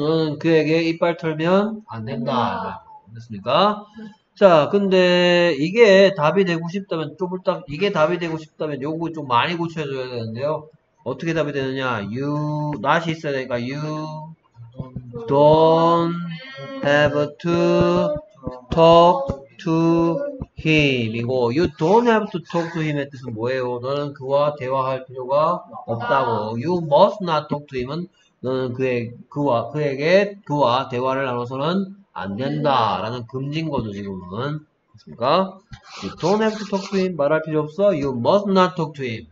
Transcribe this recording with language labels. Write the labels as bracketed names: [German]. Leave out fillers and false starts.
[Korean] 너는 그에게 이빨 털면 안 된다. 됐습니까? 자, 근데 이게 답이 되고 싶다면 좀 딱 이게 답이 되고 싶다면 요거 좀 많이 고쳐줘야 되는데요. 어떻게 답이 되느냐? [English] You not [Korean] 있어야 되니까 [English] you don't have to talk to him. [Korean] 이거 [English] you don't have to talk to him [Korean] 의 뜻은 뭐예요? 너는 그와 대화할 필요가 없다고. [English] You must not talk to him [Korean] 은 너는 그와 대화를 나눠서는 안 된다. 라는 금지인 거죠, 지금은. 됐습니까? [English] You don't have to talk to him. [Korean] 말할 필요 없어. [English] You must not talk to him.